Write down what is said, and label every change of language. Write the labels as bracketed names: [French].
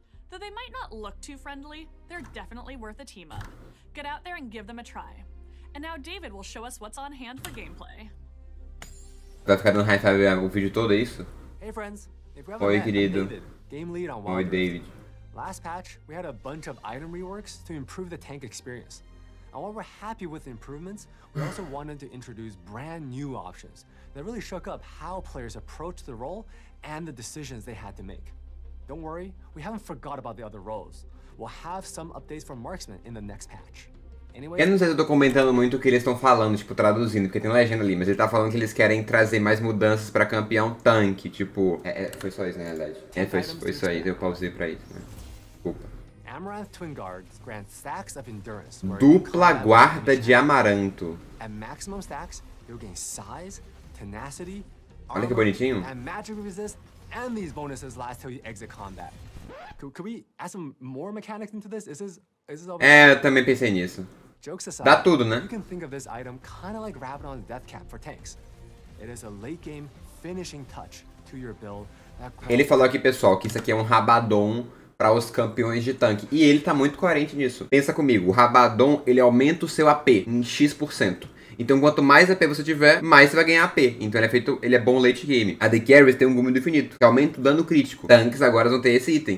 [English] Though they might not look too friendly, they're definitely worth a team up. Get out there and give them a try. And now David will show us what's on hand for gameplay. [Portuguese] Vai ficar dando high five o vídeo todo, é isso? [English] Hey friends. [Portuguese] Oi, querido. [English] Game lead on Wild Rift. Oi, David. Last patch, we had a bunch of item reworks to improve the tank experience. And while we're happy with the improvements, we also wanted to introduce brand new options that really shook up how players approach the role and the decisions they had to make. Don't worry, we haven't forgot about the other roles. We'll have some updates for marksmen in the next patch. [Portuguese] Anyway, eu não sei se eu tô comentando muito o que eles estão falando, tipo, traduzindo, porque tem legenda ali, mas ele tá falando que eles querem trazer mais mudanças pra campeão tanque, tipo... foi só isso, na realidade. Foi isso aí, deu pausei pra isso, né? Desculpa. [English] Amaranth Twin Guards grant stacks of endurance. [Portuguese] Dupla guarda de amaranto. [English] At maximum stacks, you gain size, tenacity, armor, [Portuguese] olha que bonitinho. [English] And magic resist, and these bonuses last till you exit combat. Could we add some more mechanics into this? [Portuguese] Eu também pensei nisso. Dá tudo, né? [English] You can think of this item kind of like Rabadon's death cap for tanks. It is a late game finishing touch to your build. [Portuguese] Ele falou aqui, pessoal, que isso aqui é um Rabadon para os campeões de tanque. E ele tá muito coerente nisso. Pensa comigo, o Rabadon, ele aumenta o seu AP em X%. Então, quanto mais AP você tiver, mais você vai ganhar AP. Então, ele é bom late game. A The Carries tem um gume do infinito, que aumenta o dano crítico. Tanques agora vão ter esse item.